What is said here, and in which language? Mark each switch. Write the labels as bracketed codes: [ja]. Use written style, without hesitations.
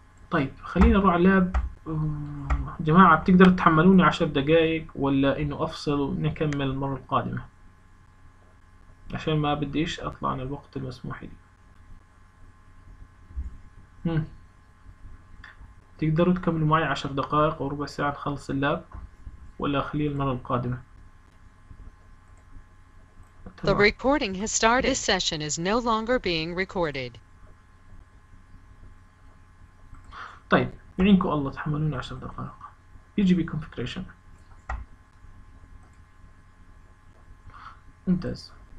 [ar] طيب خلينا نروح على اللاب. جماعه بتقدروا تتحملوني 10 دقائق ولا انه افصل ونكمل المره القادمه؟ عشان ما بديش اطلع عن الوقت المسموح لي. تقدروا تكملوا معي 10 دقائق وربع ساعة نخلص اللاب، ولا خليه المرة القادمة؟ [en] The recording has started. This session is no longer being recorded. [ar] طيب يعينكم الله، تحملوني 10 دقائق. بيجي بي configuration. ممتاز.